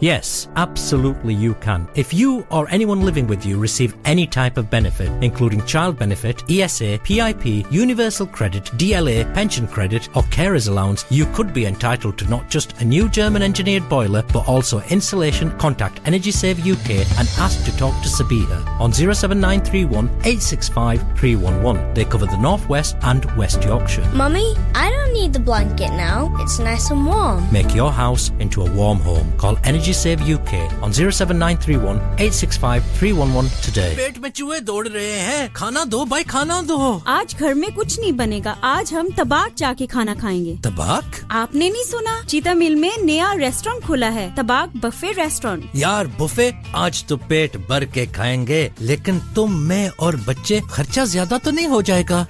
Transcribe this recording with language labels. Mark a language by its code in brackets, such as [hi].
[en] Yes absolutely you can if you or anyone living with you receive any type of benefit including child benefit ESA PIP universal credit DLA pension credit or carer's allowance, you could be entitled to not just a new German-engineered boiler, but also insulation. Contact Energy Save UK and ask to talk to Sabina on 07931 865 311. They cover the North West and West Yorkshire. Mummy, I don't need the blanket now. It's nice and warm. Make your house into a warm home. Call Energy Save UK on 07931 865 311 today. [hi] पेट में चूहे दौड़ रहे हैं. खाना दो भाई खाना दो. आज घर में कुछ नहीं बनेगा. आज हम तबाक जाके खाना खाएंगे तबाक आपने नहीं सुना चीता मिल में नया रेस्टोरेंट खुला है तबाक बुफे रेस्टोरेंट यार बुफे आज तो पेट भर के खाएंगे लेकिन तुम मैं और बच्चे खर्चा ज्यादा तो नहीं हो जाएगा